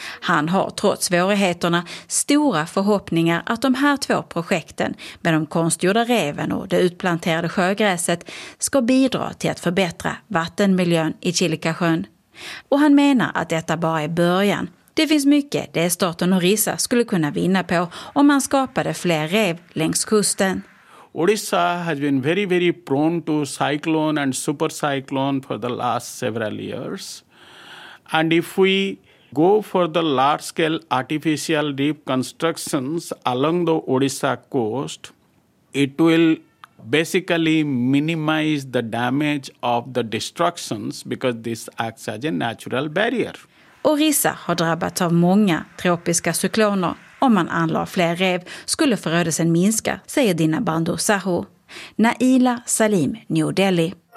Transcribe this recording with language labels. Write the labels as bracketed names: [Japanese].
[Swedish] Han har trots svårigheterna stora förhoppningar att de här två projekten med de konstgjorda reven och det utplanterade sjögräset ska bidra till att förbättra vattenmiljön i Chilikasjön. Och han menar att detta bara är början. Det finns mycket det staten Orissa skulle kunna vinna på om man skapade fler rev längs kusten. [English] Orissa has been very, very prone to cyclone and supercyclone for the last several years. And if we go for the large-scale artificial reef constructions along the Orissa coast, it will basically minimize the damage of the destructions because this acts as a natural barrier. [Swedish] Orissa har drabbats av många tropiska cykloner. Om man anlade fler rev skulle förödelsen minska, säger Dina Bandusaho. Naila Salim, New Delhi.